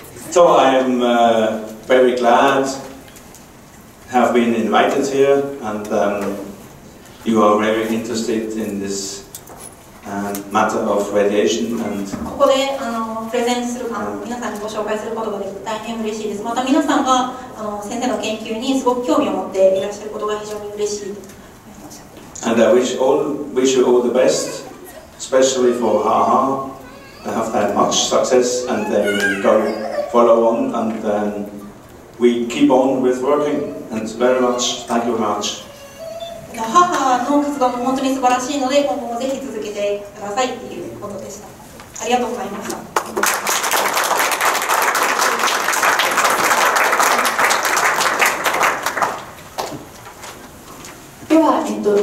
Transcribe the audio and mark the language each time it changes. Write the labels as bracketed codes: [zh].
[en] So I am very glad to have been invited here, and you are very interested in this matter of radiation. And [ja] ここで、あのプレゼンするか、皆さんにご紹介することができて大変嬉しいです。また皆さんがあの先生の研究にすごく興味を持っていらっしゃることが非常に嬉しい。 [en] And I wish you all the best, especially for HaHa. I have had much success, and then follow on, and then we keep on with working. And very much, thank you very much. [ja] 母の活動も本当に素晴らしいので、今後もぜひ続けてくださいということでした。ありがとうございました。はい、ありがとうございました。